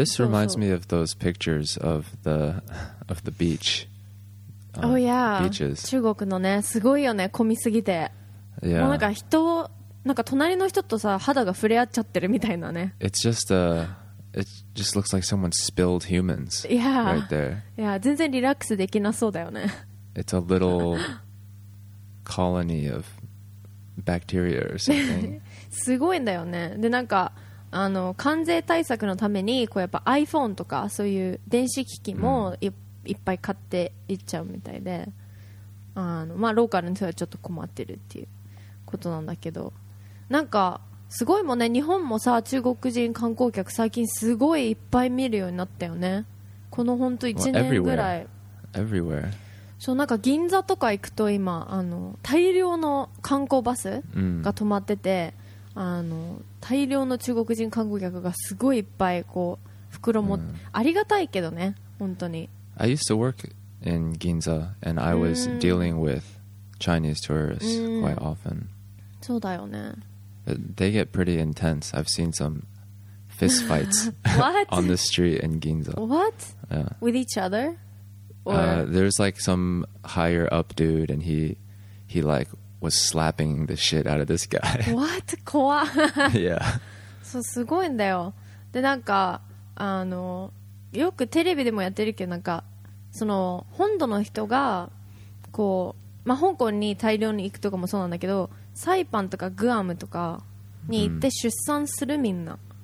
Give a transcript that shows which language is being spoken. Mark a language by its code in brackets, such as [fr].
[en] This reminds me of those pictures of the beach. Oh, yeah. Beaches. [ja] 中国のね、すごいよね、混みすぎて。 [en] Yeah. [ja] もうなんか人、なんか隣の人とさ、肌が触れ合っちゃってるみたいなね。 [en] It just looks like someone spilled humans. Yeah. Right there. Yeah, [ja] 全然リラックスできなそうだよね。 [en] It's a little colony of bacteria or something. [ja] すごいんだよね。で、なんか関税対策のためにこうやっぱ iPhone とかそういう電子機器も いっぱい買っていっちゃうみたいで、まあローカルの人はちょっと困ってるっていうことなんだけど、なんかすごいもんね。日本もさ、中国人観光客最近すごいいっぱい見るようになったよね。この本当1年ぐらい。 [en] Well, everywhere. [ja] そう、なんか銀座とか行くと今大量の観光バスが止まってて、大量の中国人観光客がすごいいっぱいこう袋持って、ありがたいけどね、本当に。 [en] I used to work in Ginza and I was dealing with Chinese tourists quite often. [ja] そうだよね。 [en] But they get pretty intense. I've seen some fist fights What? on the street in Ginza. What? Yeah. With each other? There's like some higher up dude and he like was slapping the shit out of this guy. What? [ja] 怖 [en] Yeah. [ja] そう、すごいんだよ。で、なんかよくテレビでもやってるけど、なんかその本土の人がこう、まあ、香港に大量に行くとかもそうなんだけど、サイパンとかグアムとかに行って出産するみんな。